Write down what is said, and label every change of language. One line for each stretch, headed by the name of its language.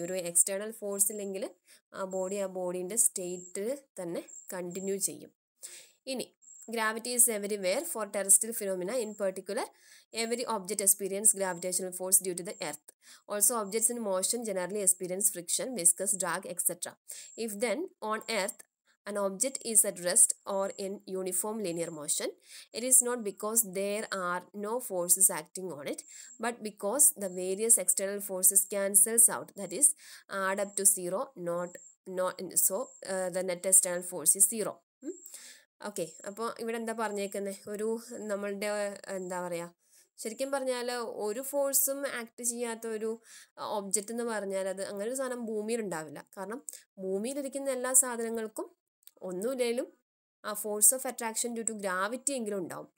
Malayalam: ഒരു external force ഇല്ലെങ്കിൽ ആ ബോഡിൻ്റെ സ്റ്റേറ്റിൽ തന്നെ കണ്ടിന്യൂ ചെയ്യും.
English: ഇനി gravity is everywhere for terrestrial phenomena in particular every object experience gravitational force due to the earth. Also objects in motion generally experience friction viscous drag etcetera. If then on earth an object is at rest or in uniform linear motion, it is not because there are no forces acting on it, but because the various external forces cancels out, that is add up to zero, so the net external force is zero. Okay,
Malayalam: appo ivada enda parnayekane oru nammalde enda paraya ശരിക്കും പറഞ്ഞാൽ ഒരു ഫോഴ്സും act ചെയ്യാത്ത ഒരു object എന്ന് പറഞ്ഞാൽ അത് അങ്ങനെ ഒരു സാധനം ഭൂമിയിൽ ഉണ്ടാവില്ല. കാരണം ഭൂമിയിലിരിക്കുന്ന എല്ലാ സാധനങ്ങൾക്കും ഒന്നുമില്ലെങ്കിലും ആ force of attraction due to gravity എങ്കിലും ഉണ്ടാവും.